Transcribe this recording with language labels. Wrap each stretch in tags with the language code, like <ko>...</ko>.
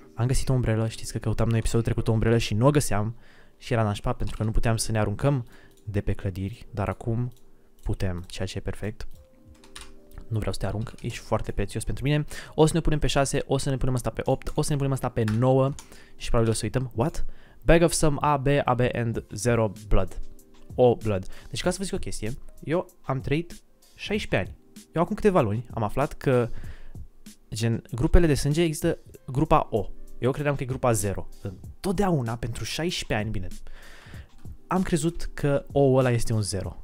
<ro>Am găsit o umbrelă, știți că căutam noi episodul trecut o umbrelă și nu o găseam și era nașpa pentru că nu puteam să ne aruncăm de pe clădiri, dar acum putem, ceea ce e perfect. Nu vreau să te arunc, ești foarte prețios pentru mine. O să ne punem pe 6, o să ne punem asta pe 8, o să ne punem asta pe 9 și probabil o să uităm.</ro> <en>What? Bag of some AB, AB and zero blood. O blood.</en> <ro>Deci ca să vă zic o chestie, eu am trăit 16 ani. Eu acum câteva luni am aflat că gen grupele de sânge există grupa O. Eu credeam că e grupa 0. Totdeauna, pentru 16 ani, bine, am crezut că O-ul ăla este un 0.</ro>